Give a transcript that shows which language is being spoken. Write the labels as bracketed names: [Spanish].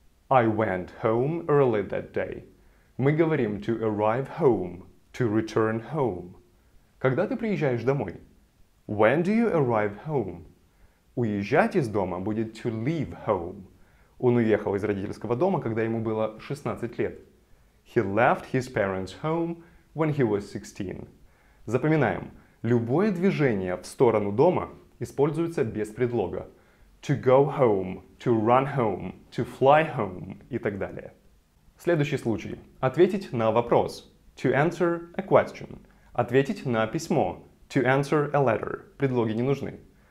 [English] I went home early that day. [Russian] Мы говорим [English] to arrive home, to return home. [Russian] Когда ты приезжаешь домой? [English] When do you arrive home? [Russian] Уезжать из дома будет [English] to leave home. [Russian] Он уехал из родительского дома, когда ему было 16 лет. [English] He left his parents' home when he was 16. [Russian] Запоминаем. Любое движение в сторону дома используется без предлога. [English] To go home, to run home, to fly home [Russian] и так далее. Следующий случай. Ответить на вопрос. [English] To answer a question. [Russian] Ответить на письмо. [English] To answer a letter. [Russian] Предлоги не нужны.